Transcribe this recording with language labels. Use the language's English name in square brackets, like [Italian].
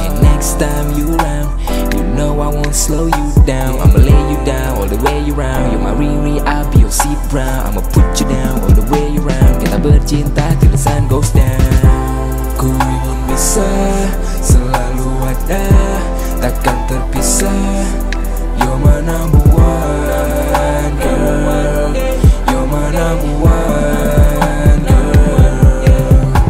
[English] And next time you round, you know I won't slow you down. I'ma lay you down all the way around. You're my Riri, I'll be your seat round. I'ma put you down all the way around. [Malay] Kita bercinta [English] till the sun goes down. [Malay] Ku ingin bisa selalu ada, takkan terpisah. [English] You're my number one girl, you're my number one girl.